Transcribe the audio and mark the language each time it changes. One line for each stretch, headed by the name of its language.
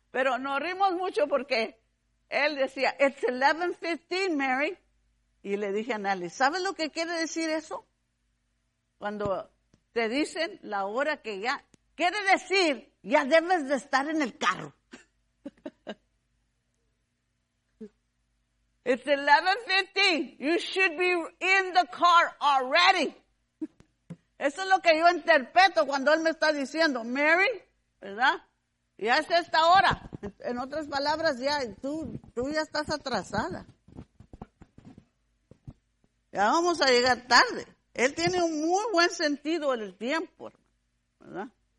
Spanish: Pero nos rimos mucho porque él decía,
English: it's 11:15, Mary.
Spanish: Y le dije a Nelly, ¿sabes lo que quiere decir eso? Cuando te dicen la hora que ya, quiere decir, ya debes de estar en el carro.
English: It's 11:15, you should be in the car already.
Spanish: Eso es lo que yo interpreto cuando él me está diciendo, Mary, ¿verdad? Ya es esta hora. En otras palabras, ya tú ya estás atrasada. Ya vamos a llegar tarde. Él tiene un muy buen sentido del tiempo, ¿verdad?